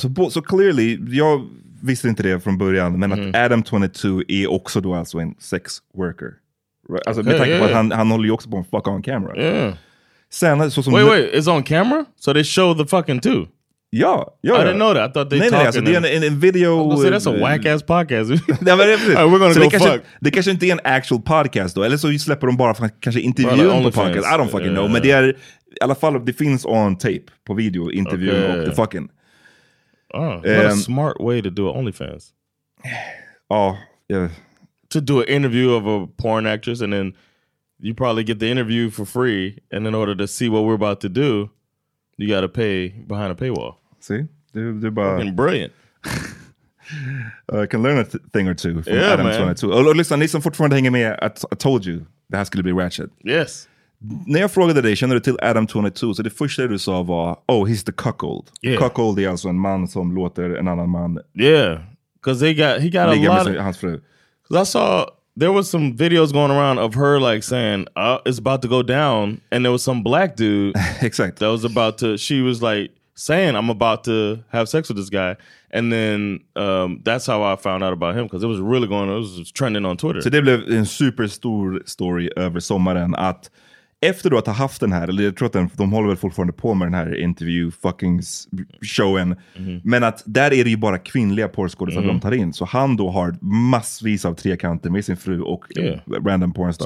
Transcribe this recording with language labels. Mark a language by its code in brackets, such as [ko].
[sv] So clearly, jag visste inte det från början, men att Adam 22 är också då alltså en sex worker. [en] Right? [sv] Alltså, okay, med tanke på att han håller ju också på en [en] fuck on camera. Yeah. [sv] Sen, så som [en] wait, it's on camera? So they show the fucking two? Ja. I didn't know that. I thought they talking. [sv] Nej, alltså, in video. [en] Say, that's a whack-ass podcast. [sv] Nej, men [en] right, we're gonna so go fuck. [sv] Det kanske inte är en actual podcast då, eller så släpper de bara för kanske intervjuer på podcast. [en] I don't fucking know, [sv] men det är i alla fall, det finns [en] on tape [sv] på video, intervju och [en] the fucking. What a smart way to do it, OnlyFans. Oh, yeah. To do an interview of a porn actress and then you probably get the interview for free. And in order to see what we're about to do, you got to pay behind a paywall. See? They're [sv] bara [en] fucking brilliant. I can learn a thing or two from Adam 22. Oh, listen, [sv] ni som fortfarande hänger med, [en] I told you [sv] det här skulle bli ratchet. [en] Yes. [sv] När jag frågade dig, känner du till Adam 22? Så det första du sa var, [en] oh, he's the cuckold. Yeah. [sv] Cuckold är alltså en man som låter en annan man. [en] Yeah, because he got a lot of [sv] hans fru. [en] Because I saw there was some videos going around of her like saying, it's about to go down. And there was some black dude exactly that was about to, she was like saying, I'm about to have sex with this guy. And then that's how I found out about him, because it was really going, it was trending on Twitter. [sv] Så det blev en super stor story över sommaren att efter du att ha haft den här, eller jag tror att de håller väl fortfarande på med den här intervju fucking showen, men att där är det ju bara kvinnliga porrskådespelare som de tar in, så han då har massvis av trekanter med sin fru och [en] random [sv] pornstar.